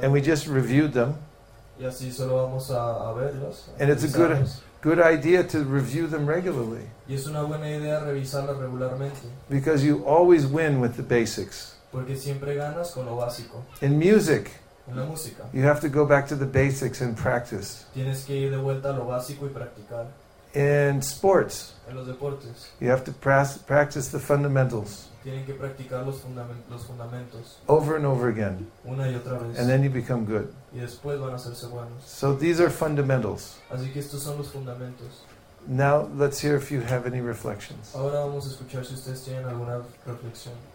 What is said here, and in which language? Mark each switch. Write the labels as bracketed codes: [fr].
[en] And we just reviewed them. [es] Y así solo vamos a verlos. [en] And it's a good idea to review them regularly. [es] Y es una buena idea revisarlas regularmente. [en] Because you always win with the basics. [es] Porque siempre ganas con lo básico. [en] In music. [es] En la música. [en] You have to go back to the basics and practice. [es] Tienes que ir de vuelta a lo básico y practicar. [en] In sports. [es] En los deportes. [en] You have to practice the fundamentals. [es] Tienen que practicar los fundamentos. [en] Over and over again. [es] Una y otra vez. [en] And then you become good. [es] Y después van a hacerse buenos. [en] So these are fundamentals. [es] Así que estos son los fundamentos. [en] Now let's hear if you have any reflections. [es] Ahora vamos a escuchar si ustedes tienen alguna reflexión.